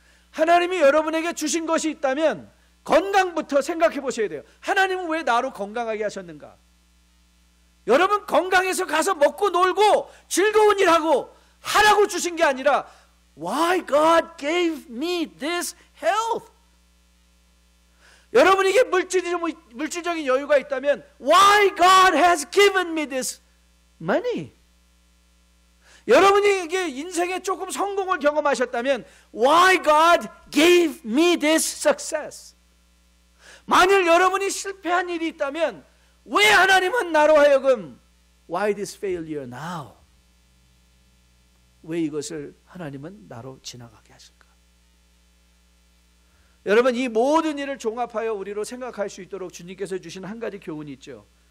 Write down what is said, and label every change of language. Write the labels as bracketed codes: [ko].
[ko] 하나님이 여러분에게 주신 것이 있다면 건강부터 생각해 보셔야 돼요. 하나님은 왜 나로 건강하게 하셨는가? 여러분 건강해서 가서 먹고 놀고 즐거운 일 하고 하라고 주신 게 아니라 [en] Why God gave me this health? [ko] 여러분에게 물질적인 여유가 있다면 [en] Why God has given me this money? [ko] 여러분에게 인생에 조금 성공을 경험하셨다면 [en] Why God gave me this success? [ko] 만일 여러분이 실패한 일이 있다면 왜 하나님은 나로 하여금 [en] Why this failure now? [ko] 왜 이것을 하나님은 나로 지나가게 하실까? 여러분, 이 모든 일을 종합하여 우리로 생각할 수 있도록 주님께서 주신 한 가지 교훈이 있죠.